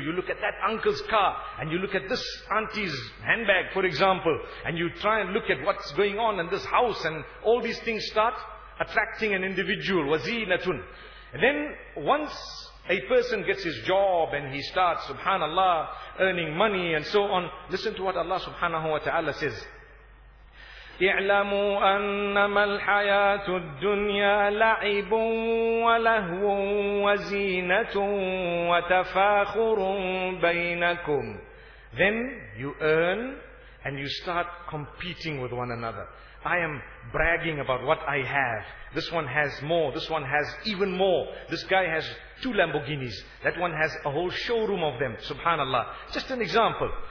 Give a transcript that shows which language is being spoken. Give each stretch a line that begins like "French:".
English: You look at that uncle's car, and you look at this auntie's handbag, for example, and you try and look at what's going on in this house, and all these things start attracting an individual. Wazinatun. And then, once a person gets his job, and he starts, subhanallah, earning money, and so on, listen to what Allah subhanahu wa ta'ala says.
Arabic: اعلموا أنما الحياة الدنيا لعب ولهو وزينة وتفاخر بينكم.
English: Then you earn and you start competing with one another. I am bragging about what I have. This one has more. This one has even more. This guy has 2 Lamborghinis. That one has a whole showroom of them. Subhanallah. Just an example.